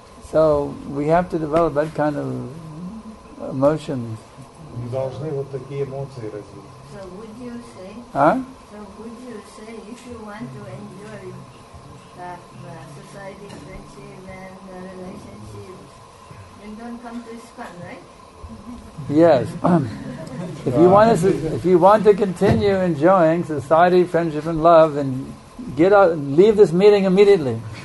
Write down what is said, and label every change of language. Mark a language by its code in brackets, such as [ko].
[en] So we have to develop that kind of emotions. [ru] Мы должны вот такие эмоции развить. [en] So would you say? А? So would you say, if you want to enjoy that society friendship and relationship, then don't come to ISKCON, right? Yes. If you want to continue enjoying society, friendship, and love, then get out, leave this meeting immediately.